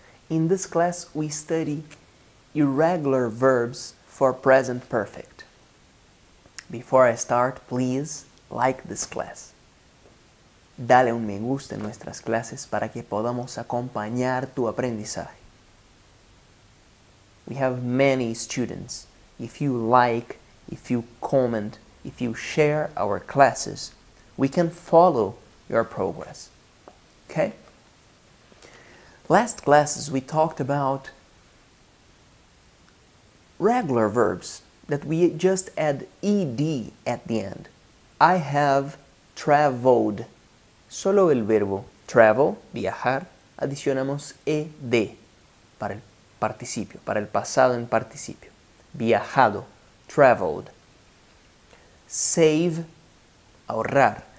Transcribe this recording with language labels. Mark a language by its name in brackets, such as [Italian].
[English] In this class, we study irregular verbs for present perfect. Before I start, please like this class. [Spanish] Dale un me gusta en nuestras clases para que podamos acompañar tu aprendizaje. [English] We have many students. If you like, if you comment, if you share our classes, we can follow your progress. Okay? Last classes, we talked about regular verbs that we just add ed at the end. I have traveled. [Spanish] Solo el verbo travel, viajar, adicionamos ed para el participio, para el pasado en participio. Viajado, traveled. Save, ahorrar.